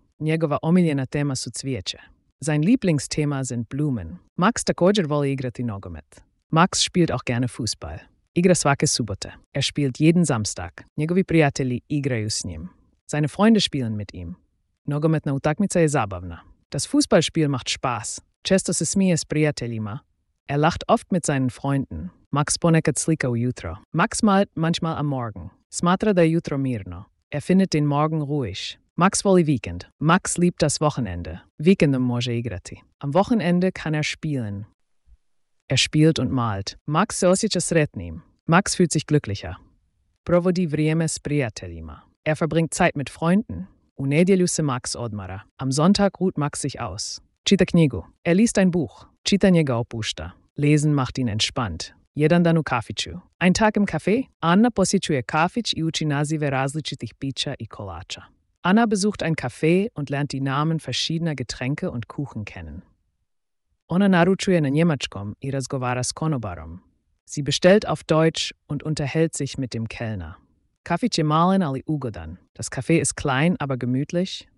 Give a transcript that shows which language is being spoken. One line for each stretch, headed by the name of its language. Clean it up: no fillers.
Croatian: Njegova omiljena tema su cvijeće.
German: Sein Lieblingsthema sind Blumen.
Croatian: Max također voli igrati nogomet.
German: Max spielt auch gerne Fußball.
Croatian: Igra svake subote.
German: Spielt jeden Samstag.
Croatian: Njegovi prijatelji igraju s njim.
German: Seine Freunde spielen mit ihm.
Croatian: Nogometna utakmica je zabavna.
German: Das Fußballspiel macht Spaß.
Croatian: Često se smije s prijateljima.
German: Lacht oft mit seinen Freunden.
Croatian: Max ponekad slika ujutro.
German: Max malt manchmal am Morgen.
Croatian: Smatra da jutro mirno.
German: Findet den Morgen ruhig.
Croatian: Max voli Weekend.
German: Max liebt das Wochenende.
Croatian: Weekendom može igrati.
German: Am Wochenende kann spielen. Spielt und malt.
Croatian: Max se osjeća sretnim.
German: Max fühlt sich glücklicher.
Croatian: Provodi vrijeme s prijateljima.
German: Verbringt Zeit mit Freunden.
Croatian: U nedjelju se Max odmara.
German: Am Sonntag ruht Max sich aus.
Croatian: Čita knjigu.
German: Liest ein Buch.
Croatian: Čitanje ga opušta.
German: Lesen macht ihn entspannt.
Croatian: Jedan dan u kafiću.
German: Ein Tag im Café.
Croatian: Anna posjećuje kafić i uči nazive različitih pića i kolača.
German: Anna besucht ein Café und lernt die Namen verschiedener Getränke und Kuchen kennen.
Croatian: Ona naručuje na njemačkom i razgovara s konobarom.
German: Sie bestellt auf Deutsch und unterhält sich mit dem Kellner.
Croatian: Kafić je malen, ali ugodan.
German: Das Café ist klein, aber gemütlich.